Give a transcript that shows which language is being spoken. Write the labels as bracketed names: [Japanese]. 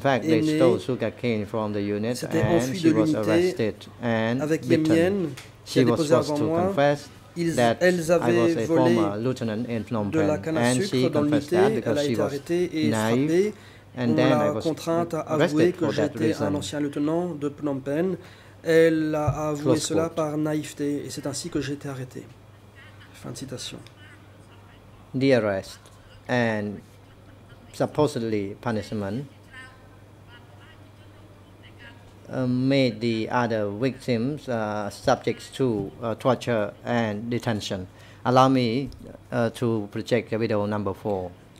[English] fact, they stole sugar cane from the unit and she was arrested and beaten. She was forced to confess that I was a former lieutenant in Phnom Penh and she confessed that because she was naive and then I was arrested for that reason. [French] Un ancien lieutenant de Phnom Penh. Elle a avoué cela par naïveté et c'est ainsi que j'ai été arrêté." Fin de citation. [English] The arrest and supposedly punishment made the other victims subject to torture and detention. Allow me to project video number 4.